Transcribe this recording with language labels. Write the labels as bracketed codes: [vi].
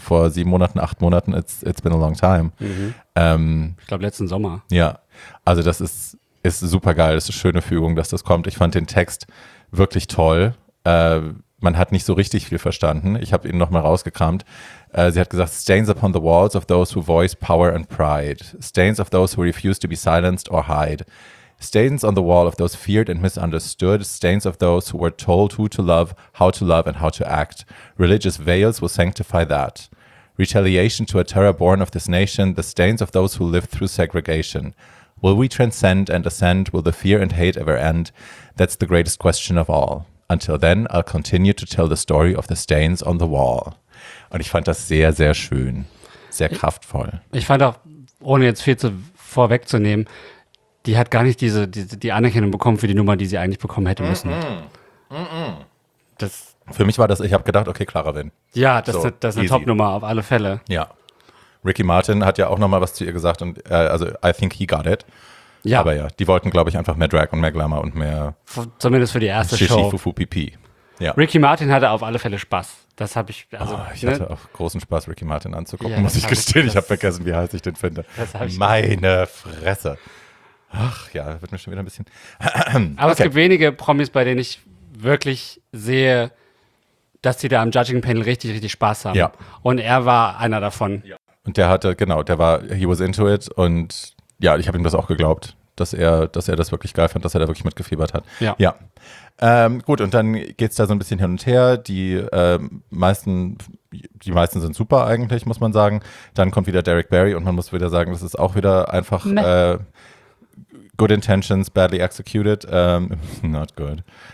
[de] Vor 7 Monaten, 8 Monaten? [en] It's been a long time. Mhm. [de] Ich glaube, letzten Sommer. Ja, also das ist super geil, das ist eine schöne Fügung, dass das kommt. Ich fand den Text wirklich toll. Man hat nicht so richtig viel verstanden. Ich habe ihn nochmal rausgekramt. Sie hat gesagt, [en] stains upon the walls of those who voice power and pride. Stains of those who refuse to be silenced or hide. Stains on the wall of those feared and misunderstood. Stains of those who were told who to love and how to act. Religious veils will sanctify that. Retaliation to a terror born of this nation. The stains of those who lived through segregation. Will we transcend and ascend? Will the fear and hate ever end? That's the greatest question of all. Until then, I'll continue to tell the story of the stains on the wall. [de] Und ich fand das sehr, sehr schön. Sehr kraftvoll. Ich fand auch, ohne jetzt viel zu vorwegzunehmen, die hat gar nicht die Anerkennung bekommen für die Nummer, die sie eigentlich bekommen hätte müssen. Das, für mich war das, ich habe gedacht, okay, Clara Wynn. Ja, das ist eine Top-Nummer auf alle Fälle. Ja. Ricky Martin hat ja auch nochmal was zu ihr gesagt und also [en] I think he got it. [de] Ja. Aber ja, die wollten, glaube ich, einfach mehr Drag und mehr Glamour und mehr. Zumindest für die erste Shishi, Show. Shishi, Fufu, Pipi. Ja. Ricky Martin hatte auf alle Fälle Spaß. Das habe ich. Also, oh, ich hatte auch großen Spaß, Ricky Martin anzugucken, ja, muss ich gestehen. Ich habe vergessen, wie heiß ich den finde. Meine Fresse. Ach ja, wird mir schon wieder ein bisschen. Aber okay. Es gibt wenige Promis, bei denen ich wirklich sehe, dass die da am Judging Panel richtig, richtig Spaß haben. Ja. Und er war einer davon. Ja. Und der hatte, genau, der war, [en] he was into it. [de] Und ja, ich habe ihm das auch geglaubt, dass er das wirklich geil fand, dass er da wirklich mitgefiebert hat. Ja. Ja. Gut, und dann geht's da so ein bisschen hin und her. Die meisten sind super eigentlich, muss man sagen. Dann kommt wieder Derek Barry und man muss wieder sagen, das ist auch wieder einfach [en] good intentions, badly executed. Not good.